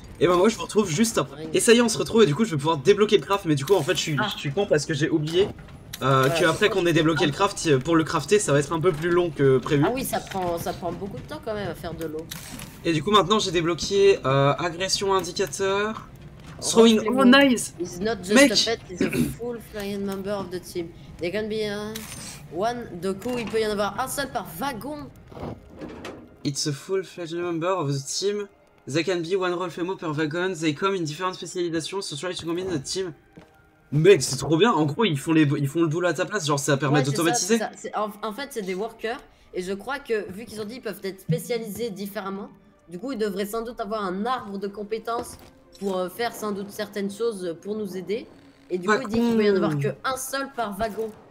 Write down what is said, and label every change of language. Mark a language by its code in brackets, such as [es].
[fr] Et bah moi je vous retrouve juste après. Et ça y est, on se retrouve et du coup je vais pouvoir débloquer le craft. Mais du coup en fait je suis con parce que j'ai oublié qu'après qu'on ait débloqué le craft, pour le crafter ça va être un peu plus long que prévu. Ah oui, ça prend beaucoup de temps quand même à faire de l'eau. Et du coup maintenant j'ai débloqué agression indicateur. [en] Throwing, oh nice. It's not just [fr] mec. [en] A pet, it's a full flying member of the team. There can be one, [fr] du coup il peut y en avoir un seul par wagon. [en] It's a full flying member of the team. They can be one Rolfemo per wagon, they come in different spécialisations, so try to combine the team. [fr] Mec, c'est trop bien, en gros ils font le boulot à ta place, genre ça permet ouais, d'automatiser. En fait c'est des workers, et je crois que vu qu'ils ont dit ils peuvent être spécialisés différemment, du coup ils devraient sans doute avoir un arbre de compétences pour faire sans doute certaines choses pour nous aider. Et du coup ils disent qu'il ne peut y en avoir qu'un seul par wagon.